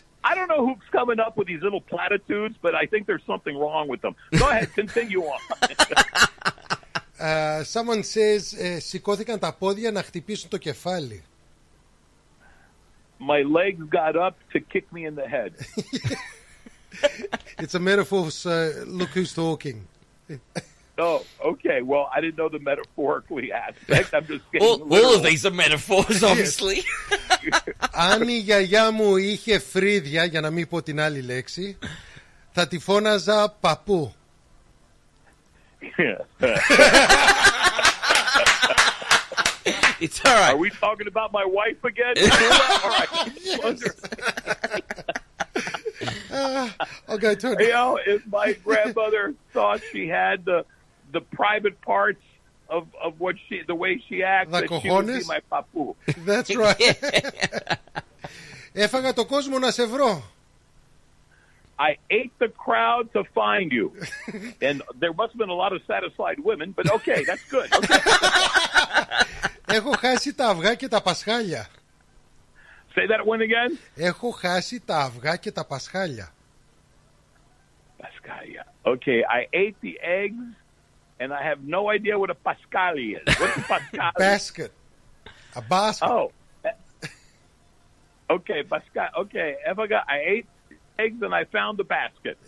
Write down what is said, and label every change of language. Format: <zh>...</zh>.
<en>I don't know who's coming up with these little platitudes, but I think there's something wrong with them. Go ahead, continue on. Someone says,</en> <el>σηκώθηκαν τα πόδια να χτυπήσουν το κεφάλι.</el> <en>My legs got up to kick me in the head. It's a metaphor, so look who's talking. Oh, okay. Well, I didn't know the metaphorically aspect. I'm just getting all of these are metaphors, obviously.</en> <el>Αν η γιαγιά μου είχε φρύδια, για να μην πω την άλλη λέξη, θα τη φώναζα παππού.</el> <en>It's all right. Are we talking about my wife again? All right. Yes. Okay, you know, if my grandmother thought she had the private parts of what she, the way she acts, that she would be my papu. That's right.</en> <el>Έφαγα το κόσμο να σε βρω.</el> <en>I ate the crowd to find you. And there must have been a lot of satisfied women, but okay, that's good.</en> <el>Έχω χάσει τα αυγά και τα πασχάλια.</el> <en>Say that one again.</en> <el>Έχω χάσει τα αυγά και τα πασχάλια. Πασχάλια.</el> <en>Okay, I ate the eggs, and I have no idea what a pascali is. What's a pascali? Basket. A basket. Oh. Okay, pascali. Okay, Evaga, I ate eggs and I found the basket.</en>